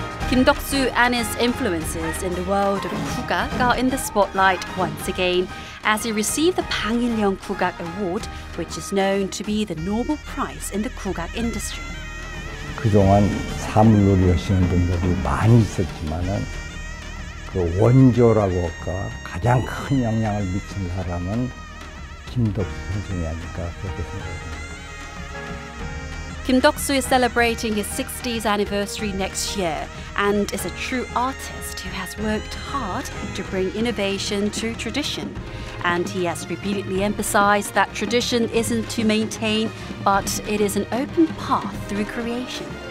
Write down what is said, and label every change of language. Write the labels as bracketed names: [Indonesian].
[English] Kyungdeok-su and his influences in the world of Kugak are in the spotlight once again as he received the Bang Il-young Kugak Award, which is known to be the Nobel Prize in the Kugak industry. [Korean] 그동안 사물놀이 하시는 분들이 많이 있었지만은 그 원조라고 할까 가장 큰 영향을 미친 사람은 김덕수 선생이 아닐까 그렇게 생각합니다. [English] Kyungdeok-su is celebrating his 60th anniversary next year and is a true artist who has worked hard to bring innovation to tradition. And he has repeatedly emphasized that tradition isn't to maintain, but it is an open path through creation.